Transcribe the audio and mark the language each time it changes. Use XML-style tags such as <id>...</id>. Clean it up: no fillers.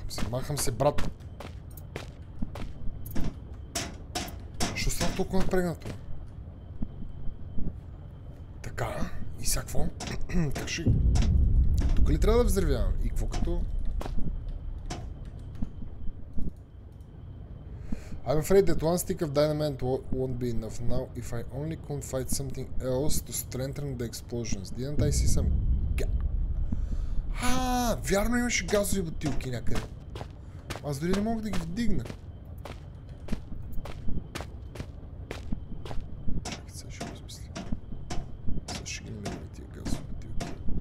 <bg>Махам се, брат. Що става толкова напрегнато? Така, и сега какво? Каши. Тук ли трябва да взривявам? И какво като...</bg> <en>I'm afraid that one stick of dynamite won't be enough now if I only couldn't fight something else to strengthen the explosions. Didn't I see some...</en> <bg>Ааа, вярно имаше газови бутилки някъде. Аз дори не мога да ги вдигна. Чакай, сега ще го измисля. Сега ще ги намираме тия газови бутилки.</bg>